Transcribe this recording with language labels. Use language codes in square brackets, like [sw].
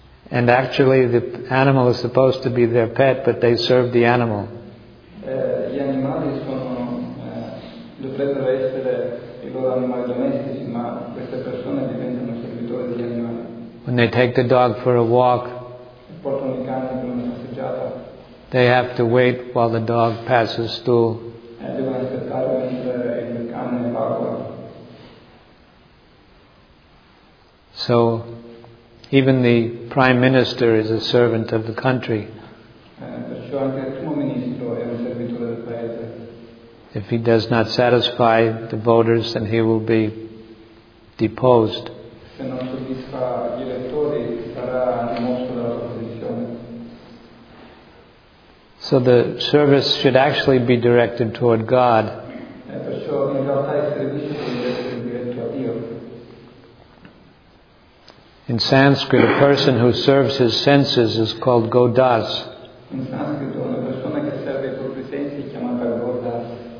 [en] And actually the animal is supposed to be their pet, but they serve the animal. [it] Gli animali sono dovrebbero essere i loro animali domestici, ma queste persone diventano servitori degli animali. [en] When they take the dog for a walk, [it] portano il cane per una passeggiata, [en] they have to wait while the dog passes through. [it] Devono aspettare mentre il cane passa. [en] So, even the prime minister is a servant of the country. [it] Perciò anche il primo ministro è un servitore del paese. [en] If he does not satisfy the voters, then he will be deposed. [it] Se non soddisfa gli elettori sarà rimosso dalla sua posizione. [en] So the service should actually be directed toward God. [it] E perciò in realtà il servizio deve essere diretto a Dio. [en] In Sanskrit, a person who serves his senses is called Godas. [it] In Sanskrit, una persona che serve i propri sensi è chiamata Godas.